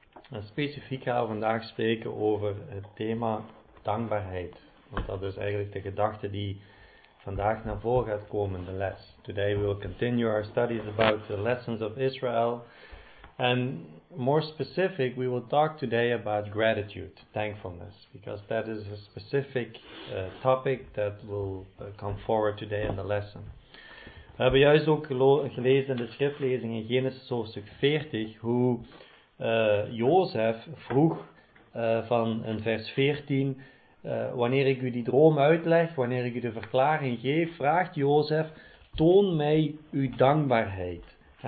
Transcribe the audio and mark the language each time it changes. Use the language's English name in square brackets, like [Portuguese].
[Dutch] En specifiek gaan we vandaag spreken over het thema dankbaarheid. Want dat is eigenlijk de gedachte die vandaag naar voren gaat komen, de les. [English] Today we will continue our studies about the lessons of Israel. And more specific, we will talk today about gratitude, thankfulness. Because that is a specific topic that will come forward today in the lesson. [Dutch] We hebben juist ook gelezen in de schriftlezing in Genesis hoofdstuk 40, hoe Jozef vroeg van in vers 14, wanneer ik u die droom uitleg, wanneer ik u de verklaring geef, vraagt Jozef, toon mij uw dankbaarheid.